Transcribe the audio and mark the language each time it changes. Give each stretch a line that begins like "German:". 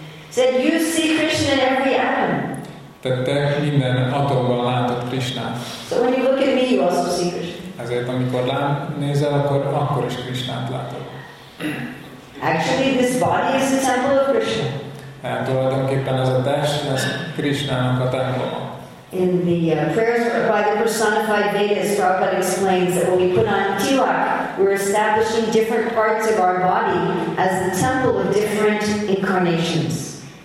English: Said you see Krishna in every atom.
Hungarian: Te minden atomban látod Krishnát.
English: So when you look at me, you also see Krishna.
Hungarian: Ezért amikor nézel, akkor is Krishnát látod.
English: Actually, this body is the temple of Krishna.
Hungarian: Hát tulajdonképpen ez a test, ez Krishnának a temploma.
English: In the prayers by the personified Vedas, Prabhupada explains that when we put on tilak, we're establishing different parts of our body as the temple of different incarnations.